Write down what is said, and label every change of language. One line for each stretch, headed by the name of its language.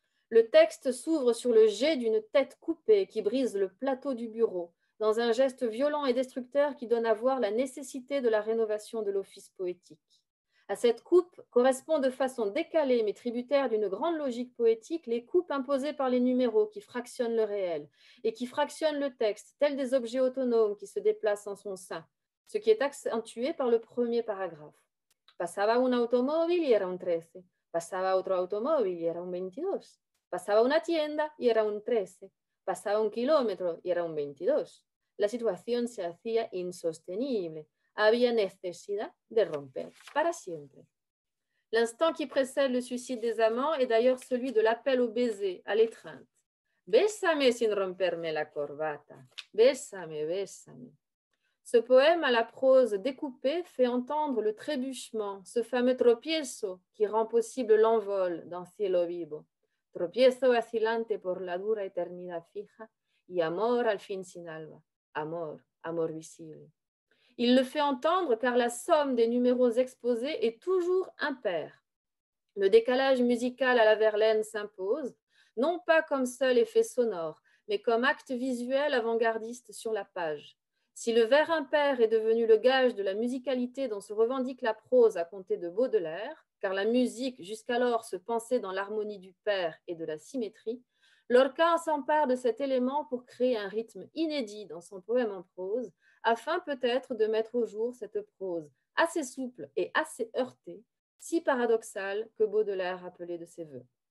French: Le texte s'ouvre sur le jet d'une tête coupée qui brise le plateau du bureau, dans un geste violent et destructeur qui donne à voir la nécessité de la rénovation de l'office poétique. À cette coupe correspond de façon décalée mais tributaire d'une grande logique poétique les coupes imposées par les numéros qui fractionnent le réel et qui fractionnent le texte, tels des objets autonomes qui se déplacent en son sein, ce qui est accentué par le premier paragraphe.
Spanish: Pasaba un automóvil y era un 13. Pasaba otro automóvil y era un 22. Pasaba una tienda y era un 13. Pasaba un kilómetro y era un 22. La situación se hacía insostenible. Había necesidad de romper para siempre.
French: L'instant qui précède le suicide des amants est d'ailleurs celui de l'appel au baiser, à l'étreinte.
Spanish: Bésame sin romperme la corbata. Bésame, bésame.
French: Ce poème à la prose découpée fait entendre le trébuchement, ce fameux tropiezo qui rend possible l'envol dans Cielo Vivo.
Spanish: Tropiezo vacilante por la dura eternidad fija y amor al fin sin alba, amor, amor visible.
French: Il le fait entendre car la somme des numéros exposés est toujours impair. Le décalage musical à la Verlaine s'impose, non pas comme seul effet sonore, mais comme acte visuel avant-gardiste sur la page. Si le vers impair est devenu le gage de la musicalité dont se revendique la prose à compter de Baudelaire, car la musique jusqu'alors se pensait dans l'harmonie du père et de la symétrie, Lorca s'empare de cet élément pour créer un rythme inédit dans son poème en prose, afin peut-être de mettre au jour cette prose assez souple et assez heurtée, si paradoxale que Baudelaire appelait de ses voeux.